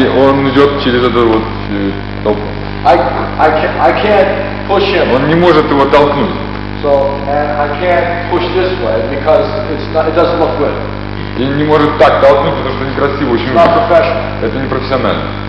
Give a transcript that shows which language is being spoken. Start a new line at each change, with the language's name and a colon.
Russian: И он идет через эту вот толпу.
English: I can't push him.
Russian: Он не может его толкнуть.
English: So, and I can't push this way because it doesn't look good.
Russian: И не может так толкнуть, потому что некрасиво, очень.
English: It's not professional.
Russian: Это не профессионально.